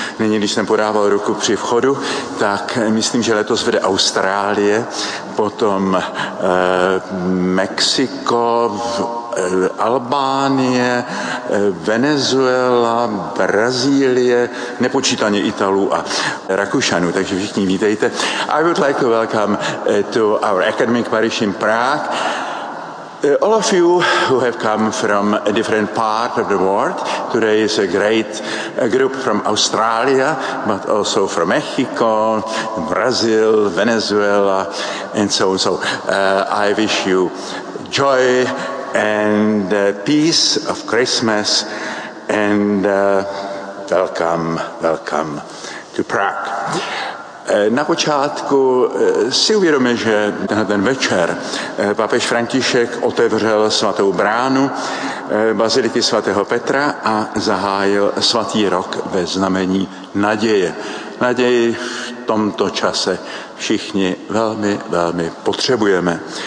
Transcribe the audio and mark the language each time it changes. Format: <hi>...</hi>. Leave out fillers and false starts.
<cs>Nyní, když jsem podával ruku při vchodu, tak myslím, že letos vede Austrálie, potom Mexiko, Albánie, Venezuela, Brazílie, nepočítaně Italů a Rakušanů, takže všichni vítejte.</cs> <en>I would like to welcome to our academic parish in Prague. All of you who have come from a different part of the world, today is a great group from Australia, but also from Mexico, Brazil, Venezuela, and so on. So I wish you joy and peace of Christmas, and welcome to Prague.</en> <cs>Na počátku si uvědomí, že ten večer papež František otevřel svatou bránu baziliky svatého Petra a zahájil svatý rok ve znamení naděje. Naději v tomto čase všichni velmi, velmi potřebujeme.</cs>